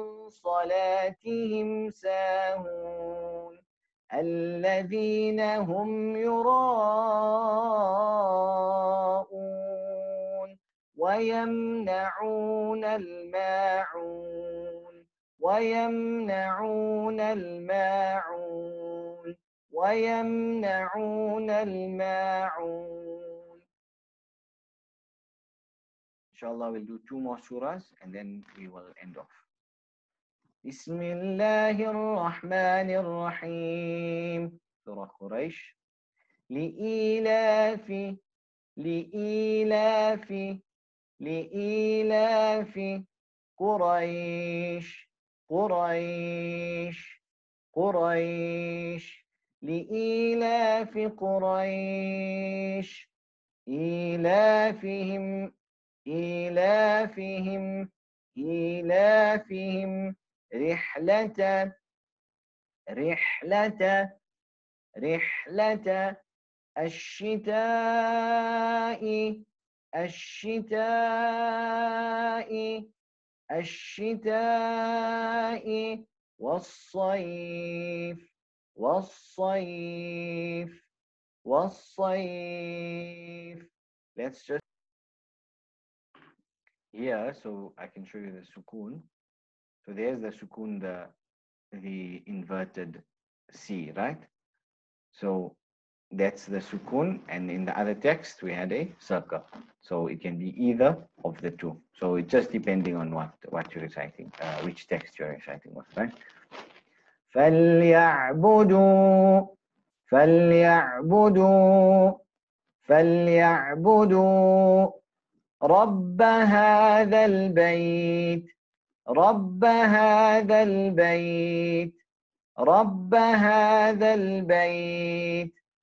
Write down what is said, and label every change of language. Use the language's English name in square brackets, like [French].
[Arabic] صلاتهم ساهون الذين هم يراءون ويمنعون الماعون ويمنعون الماعون ويمنعون الماعون [English] إن شاء الله we'll do two more surahs and then we will end off. [Arabic] بسم الله الرحمن الرحيم سورة قريش لإيلاف لإيلاف لإيلاف قريش قريش قريش لإيلاف قريش إيلافهم إيلافهم إيلافهم رحلة رحلة رحلة الشتاء الشتاء الشتاء والصيف والصيف والصيف. [English] Let's just here so I can show you the sukun. So there's the sukun, the inverted C, right? So that's the sukun. And in the other text, we had a SAQA. So it can be either of the two. So it's just depending on what you're reciting, which text you're reciting with, right? [Arabic] فَلْيَعْبُدُوا فَلْيَعْبُدُوا فَلْيَعْبُدُوا رَبَّ هَذَا الْبَيْتِ رب هذا البيت رب هذا البيت